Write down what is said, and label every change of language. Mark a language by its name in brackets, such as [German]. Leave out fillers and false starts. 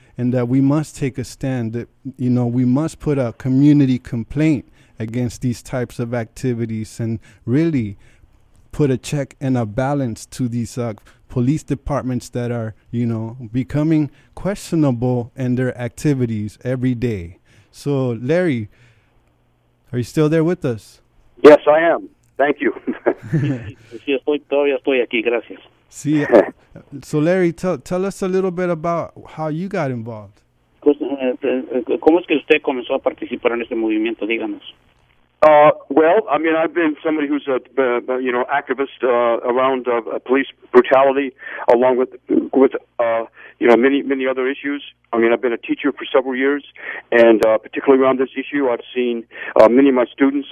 [English] And that we must take a stand, that, you know, we must put a community complaint against these types of activities and really put a check and a balance to these police departments that are, you know, becoming questionable in their activities every day. So, Larry, Are you still there with us? Yes, I am. Thank you. [Spanish] Sí, estoy, todavía estoy aquí, gracias. Sí. [English] So, Larry, tell us a little bit about how you got involved. [Spanish] Pues, ¿cómo es que usted comenzó a participar en este movimiento? Díganos. [English] Well, I mean, I've been somebody who's a you know, activist around police brutality, along with you know, many other issues. I mean, I've been a teacher for several years, and particularly around this issue, I've seen many of my students.